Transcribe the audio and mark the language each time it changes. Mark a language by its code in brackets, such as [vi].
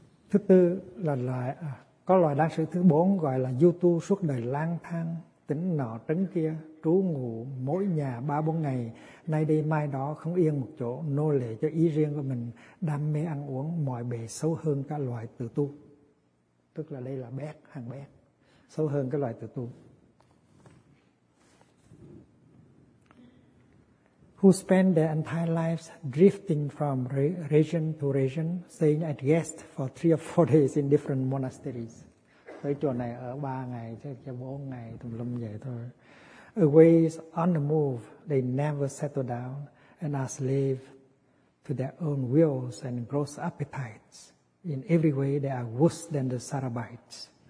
[vi] Thứ tư là loại, có loại đàn sĩ thứ bốn gọi là du tu suốt đời lang thang, tỉnh nọ trấn kia, trú ngụ mỗi nhà 3-4 ngày, nay đây mai đó, không yên một chỗ, nô lệ cho ý riêng của mình, đam mê ăn uống, mọi bề xấu hơn các loại tự tu. Tức là đây là bét, hàng bét, xấu hơn cái loại tự tu. [en] Who spend their entire lives drifting from region to region, staying at guest for 3 or 4 days in different monasteries. [vi] Tới chỗ này ở 3 ngày, chứ 4 ngày, tùm lum vậy thôi. [en] Always on the move, they never settle down and are slave to their own wills and gross appetites. In every way, they are worse than the Sarabites.